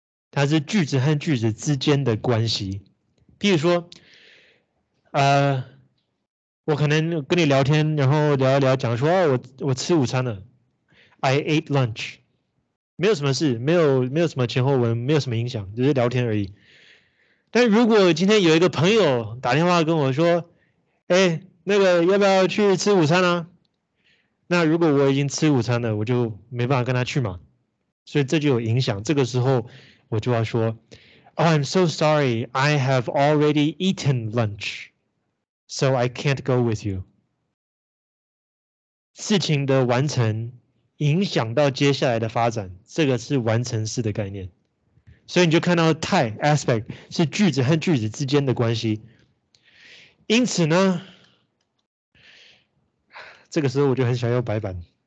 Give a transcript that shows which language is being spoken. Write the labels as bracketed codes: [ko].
[zh] 它是句子和句子之间的关系。譬如说，我可能跟你聊天，然后聊一聊，讲说，哦，我吃午餐了 ， [en] I ate lunch， [zh] 没有什么事，没有什么前后文，没有什么影响，只是聊天而已。但如果今天有一个朋友打电话跟我说，哎，那个要不要去吃午餐啊？那如果我已经吃午餐了，我就没办法跟他去嘛，所以这就有影响。这个时候，我就要说 ， [en] Oh, I'm so sorry. I have already eaten lunch, so I can't go with you. [zh] 事情的完成影响到接下来的发展，这个是完成式的概念。所以你就看到态 aspect 是句子和句子之间的关系。因此呢，这个时候我就很想要白板。